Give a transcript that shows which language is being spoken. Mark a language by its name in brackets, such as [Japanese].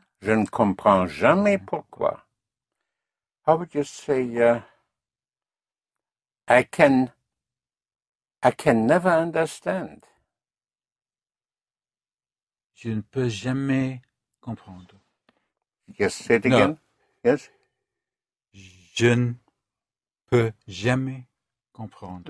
[French] Je ne comprends jamais pourquoi. [English] How would you say, I can never understand. [French] Je ne peux jamais comprendre. [English] Yes, say it again. No. Yes. [French] Je ne peux jamais comprendre.